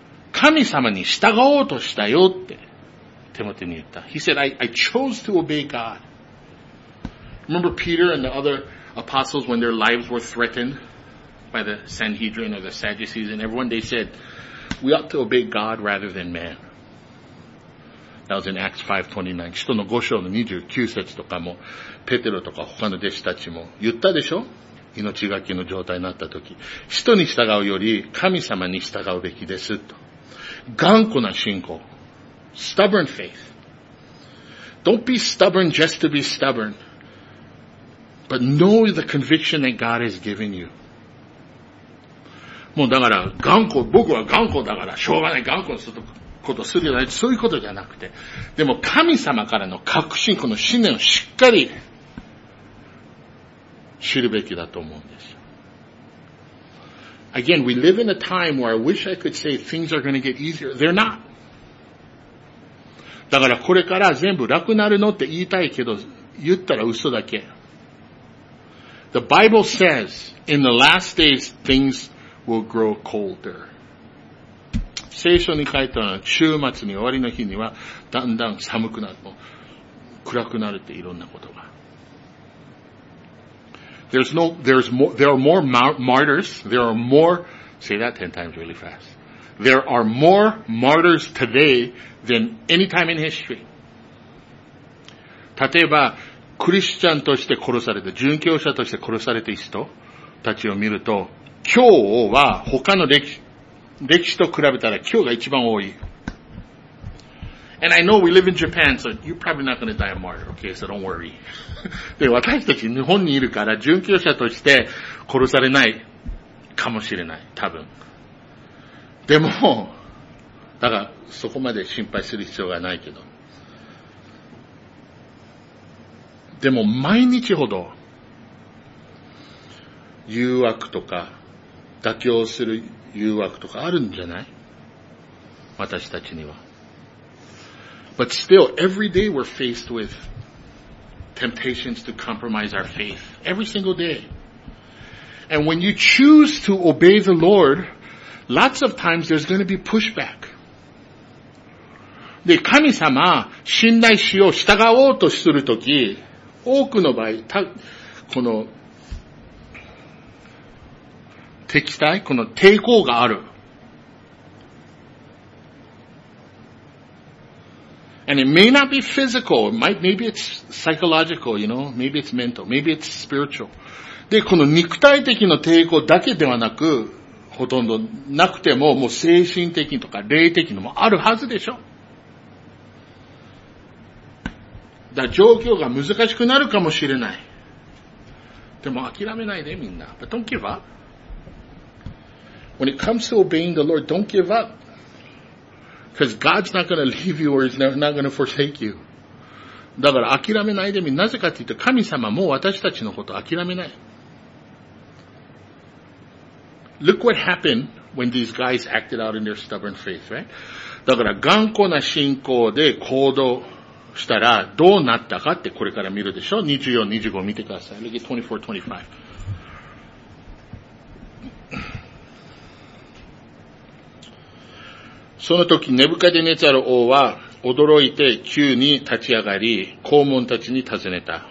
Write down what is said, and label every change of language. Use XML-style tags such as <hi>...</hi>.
<ja>神様に従おうとしたよって、テモテに言った。</ja> <en>He said, I chose to obey God. Remember Peter and the other apostles when their lives were threatened? By the Sanhedrin or the Sadducees and everyone, they said, we ought to obey God rather than man. That was in Acts 5:29.</en> <ja>人の5章の29節とかも、ペテロとか他の弟子たちも言ったでしょ? 命がけの状態になった時。人に従うより神様に従うべきですと。頑固な信仰。</ja> <en>Stubborn faith. Don't be stubborn just to be stubborn. But know the conviction that God has given you.</en> <ja>もうだから頑固、僕は頑固だからしょうがない頑固することするよね。そういうことじゃなくて。でも神様からの確信、この信念をしっかり知るべきだと思うんです。</ja> <en>Again, we live in a time where I wish I could say things are going to get easier. They're not.</en> <ja>だからこれから全部楽になるのって言いたいけど、言ったら嘘だけ。</ja> <en>The Bible says in the last days things will grow colder.</en> <ja>聖書に書いたのは週末に終わりの日にはだんだん寒くなる、もう暗くなるっていろんなことが。</ja> <en>There are more martyrs today than any time in history.</en> <ja>例えば、クリスチャンとして殺された、殉教者として殺されている人たちを見ると、今日は他の歴史と比べたら今日が一番多い。</ja> <en>And I know we live in Japan, so you're probably not going to die a martyr, okay, so don't worry.</en> <ja>で、私たち日本にいるから、殉教者として殺されないかもしれない、多分。でも、だから、そこまで心配する必要がないけど。でも、毎日ほど、誘惑とか、妥協する誘惑とかあるんじゃない? 私たちには。</ja> <en>But still, every day we're faced with temptations to compromise our faith. Every single day. And when you choose to obey the Lord, lots of times there's going to be pushback.</en> <ja>で、神様、信頼しよう、従おうとするとき、多くの場合、この敵対、この抵抗がある。</ja> <en>And it may not be physical, maybe it's psychological, you know, maybe it's mental, maybe it's spiritual.</en> <ja>で、この肉体的な抵抗だけではなく、ほとんどなくても、もう精神的とか霊的のもあるはずでしょ。だから状況が難しくなるかもしれない。でも諦めないで、みんな。</ja> <en>But don't give up. When it comes to obeying the Lord, don't give up. Because God's not going to leave you or He's not going to forsake you.</en> <ja>だから諦めないでみ。なぜかって言うと神様も私たちのこと諦めない。</ja> <en>Look what happened when these guys acted out in their stubborn faith, right?</en> <ja>だから頑固な信仰で行動したらどうなったかってこれから見るでしょ。 24、25見てください。</ja> <en>Look at 24, 25.</en> <ja>その時、ネブカデネザル王は驚いて急に立ち上がり、公文たちに尋ねた。</ja>